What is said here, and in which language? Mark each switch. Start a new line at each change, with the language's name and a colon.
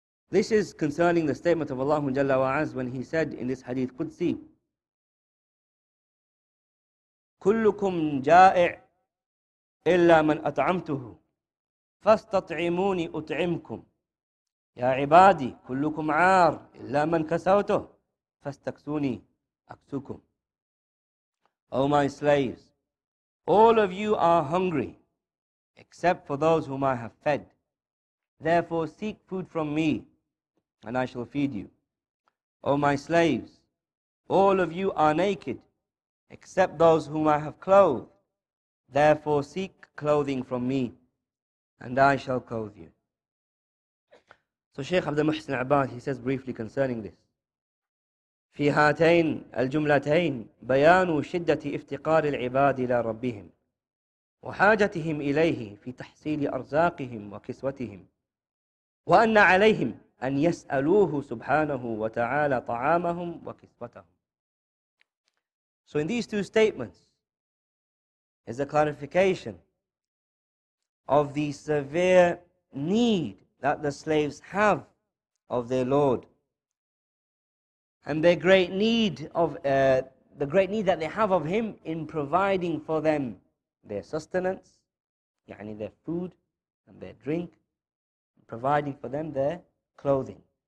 English: This is concerning the statement of Allah Jalla wa'az when he said in this hadith Qudsi,
Arabic: كلكم جائع إلا من أطعمته فاستطعموني أطعمكم يا عبادي كلكم عار إلا من كسوته فاستكسوني أكسوكم.
English: O my slaves, all of you are hungry except for those whom I have fed. Therefore, seek food from me, and I shall feed you. O my slaves, all of you are naked, except those whom I have clothed. Therefore, seek clothing from me, and I shall clothe you. So Sheikh Abdul Muhsin Abbas, he says briefly concerning this.
Arabic: في هاتين الجملتين بيان شدة افتقار العباد إلى ربهم وحاجتهم إليه في تحصيل أرزاقهم وكسوتهم وأن عليهم أن يسألوه سبحانه وتعالى طعامهم وكسوتهم.
English: So in these two statements is a clarification of the severe need that the slaves have of their Lord, and their great need of the great need that they have of him in providing for them their sustenance, yani their food and their drink, and providing for them their clothing.